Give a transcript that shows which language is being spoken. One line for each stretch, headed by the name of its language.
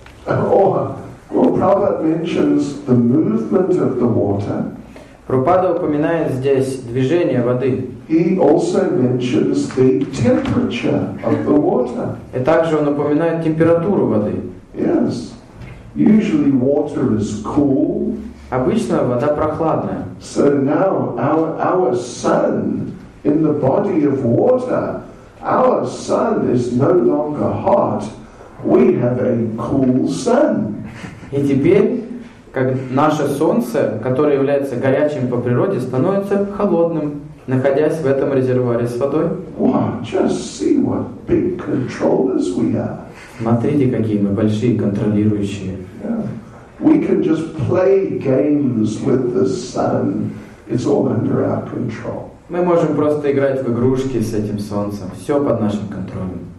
English: Or Prabhupada mentions the movement of the water.
Russian: Прабхупада упоминает здесь движение воды.
English: He also mentions the temperature of the water.
Russian: И также он упоминает температуру воды.
English: Yes. Usually water is cool.
Russian: Обычно вода прохладная.
English: So now our sun in the body of water, our sun is no longer hot. We have a cool sun.
Russian: И теперь, как наше солнце, которое является горячим по природе, становится холодным, находясь в этом резервуаре с водой.
English: Wow, just see what big controllers we are.
Russian: Смотрите, какие мы большие контролирующие.
English: Yeah. We can just play games with the sun. It's all under our control.
Russian: Мы можем просто играть в игрушки с этим солнцем. Все под нашим контролем.